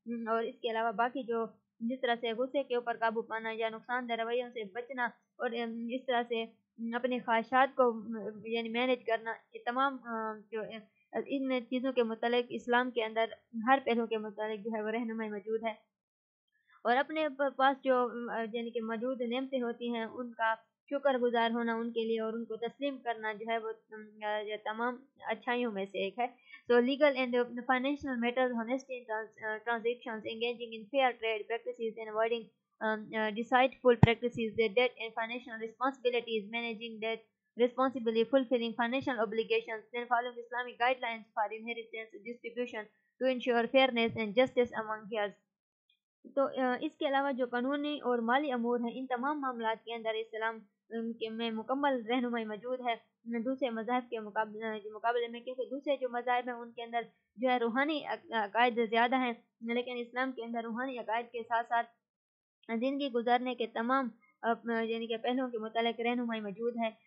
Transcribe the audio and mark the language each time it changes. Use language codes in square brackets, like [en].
[ur] اور اس کے علاوہ باقی جو جس طرح سے غصے کے اوپر قابو پانا یا نقصان دہ رویوں سے بچنا اور اس طرح سے اپنے خواہشات کو یعنی مینیج کرنا یہ تمام جو ان چیزوں کے متعلق اسلام کے اندر ہر پہلو کے متعلق جو ہے وہ رہنمائی موجود ہے اور اپنے پاس جو یعنی کہ موجود نعمتیں ہوتی ہیں ان کا شکر گزار ہونا ان کے لیے اور ان کو تسلیم کرنا جو ہے وہ تمام اچھائیوں میں سے ایک ہے. [en] So legal and the financial matters, honesty in transactions, engaging in fair trade practices and avoiding deceitful practices, their debt and financial responsibilities, managing debt responsibly, fulfilling financial obligations, then following Islamic guidelines for inheritance and distribution to ensure fairness and justice among heirs. [ur] تو اس کے علاوہ جو قانونی اور مالی امور ہیں ان تمام معاملات کے اندر اسلام کے میں مکمل رہنمائی موجود ہے دوسرے مذاہب کے مقابلے میں, کیونکہ دوسرے جو مذاہب ہیں ان کے اندر جو ہے روحانی عقائد زیادہ ہیں, لیکن اسلام کے اندر روحانی عقائد کے ساتھ ساتھ زندگی گزارنے کے تمام یعنی کہ پہلوؤں کے متعلق رہنمائی موجود ہے.